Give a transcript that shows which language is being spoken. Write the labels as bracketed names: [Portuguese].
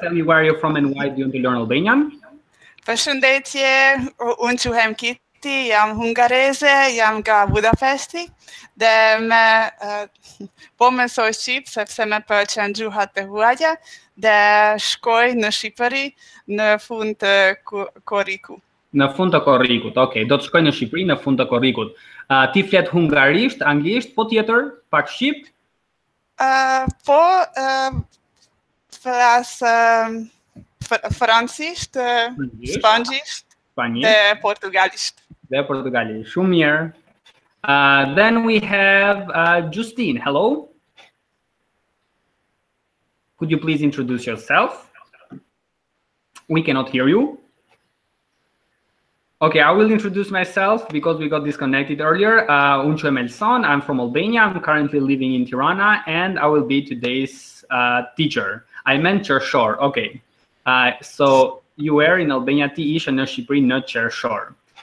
[English] Tell me where you're from and why do you want to learn Albanian? [Albanian] Përshëndetje, unë quhem Kitty, jam hungareze, jam nga Budapesti, dhe me po mësoj Shqip, sepse me përqen gjuhat të huaja, dhe shkoj në Shqipëri në fund të Korriku. Në fund të Korrikut, okej, okay. Do të shkoj në Shqipëri në fund të Korrikut. Ti flet hungarisht, anglisht, po tjetër, pak Shqip? Po, flas... Francisht, Spanjisht, Portugalisht. Dhe Portugalisht, shumë mirë. [English] Then we have Justine, hello. Could you please introduce yourself? We cannot hear you. Okay, I will introduce myself because we got disconnected earlier. [Albanian] Unë quhem Elson, [English] I'm from Albania, I'm currently living in Tirana, and I will be today's teacher. I mentor Shore, okay. So you were in Albania, [Albanian] ti ishe në Shqipëri, në Qershor.